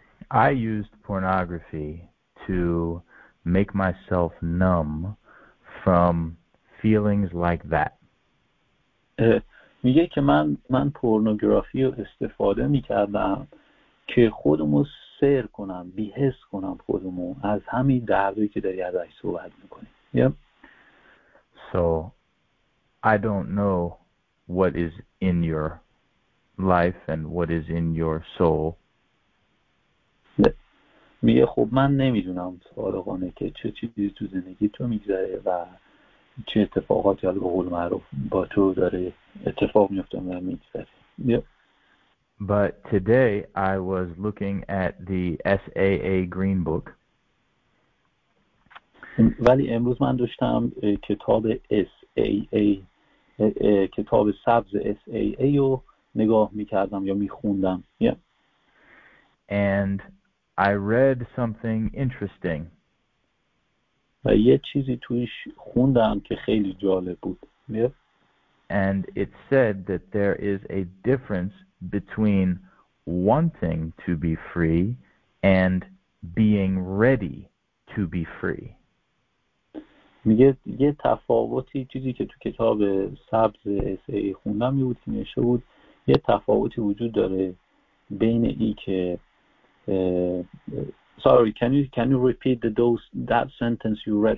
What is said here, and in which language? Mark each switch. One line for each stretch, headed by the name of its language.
English: I used pornography to make myself numb from feelings like that.
Persian: میگه که من پورنوگرافی رو استفاده میکردم که خودمو سر کنم، بی‌حس کنم خودمو از همین دردی که داری ازش صحبت میکنی.
English: So I don't know what is in your life and what is in your soul.
Persian: میگه خب من نمیدونم صادقانه که چه چیزی تو زندگی تو میگذره و چه اتفاقاتی حالا به قول معروف با تو داره اتفاق میفته و میگذره.
English: But today I was looking at the SAA Green Book.
Persian: ولی امروز من داشتم کتاب SAA کتاب سبز SAA رو نگاه می‌کردم یا می‌خوندم.
English: Yeah. And I read something interesting.
Persian: و یه چیزی تویش خوندم که خیلی جالب بود.
English: Yeah. And it said that there is a difference between wanting to be free and being ready to be free.
Persian: میگه یه تفاوتی چیزی که تو کتاب سبز SA خوندم می بود که نشه بود یه تفاوتی وجود داره بین ای که
English: sorry, can you repeat the those that sentence you read